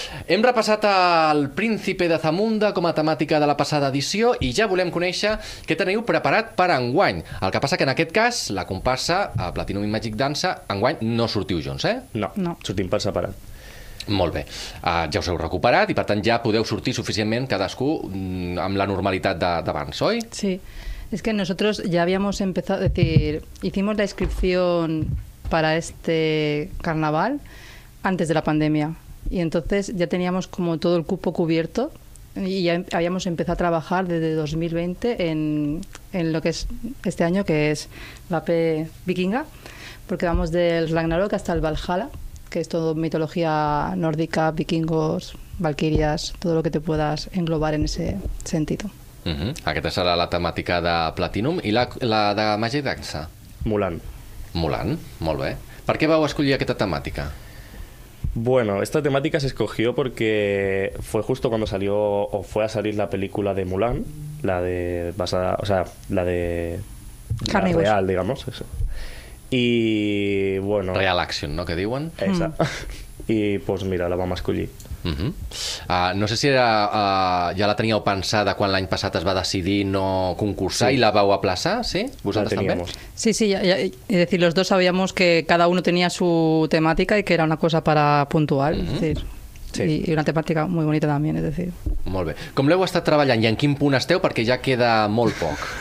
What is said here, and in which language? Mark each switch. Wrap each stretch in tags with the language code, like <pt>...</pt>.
<ca>Hem repassat el Príncipe de Zamunda com a temàtica de la passada edició i ja volem conèixer què teniu preparat per enguany. El que passa que en aquest cas la comparsa Platinum i Magic Dansa enguany no sortiu junts, eh? No. Sortim per separat. Molt bé, ja us heu recuperat i per tant ja podeu sortir suficientment cadascú amb la normalitat d'abans, oi?</ca> <es>Sí, es que nosotros ya habíamos empezado, es decir, hicimos la inscripción para este carnaval antes de la pandemia y entonces ya teníamos como todo el cupo cubierto y ya habíamos empezado a trabajar desde 2020 en lo que es este año, que es Vape Vikinga, porque vamos del Ragnarok hasta el Valhalla, que es todo mitología nórdica, vikingos, valquirias, todo lo que te puedas englobar en ese sentido. Uh-huh.</es> <ca>Aquesta serà la temàtica de Platinum. I la de Magic Dansa? Mulan. Mulan, molt bé. Per què vau escollir aquesta temàtica?</ca> <es>Bueno, esta temática se escogió porque fue justo cuando salió o fue a salir la película de Mulan, la de basada, o sea, la de carne y hueso, real, digamos, eso. Y bueno,</es> <en>Real Action,</en> <es>¿no?</es> <ca>Que diuen.</ca> <es>Exacto. Y pues mira,</es> <ca>la vam escollir. Uh-huh. No sé si era, ja la teníeu pensada quan l'any passat es va decidir no concursar, sí. I la vau aplaçar, sí? Vosaltres també?</ca> <es>Sí, sí, ya, es decir, los dos sabíamos que cada uno tenía su temática y que era una cosa para puntual, uh-huh. Es decir, sí. Y una temática muy bonita también, es decir.</es> <ca>Molt bé. Com l'heu estat treballant i en quin punt esteu? Perquè ja queda molt poc.</ca>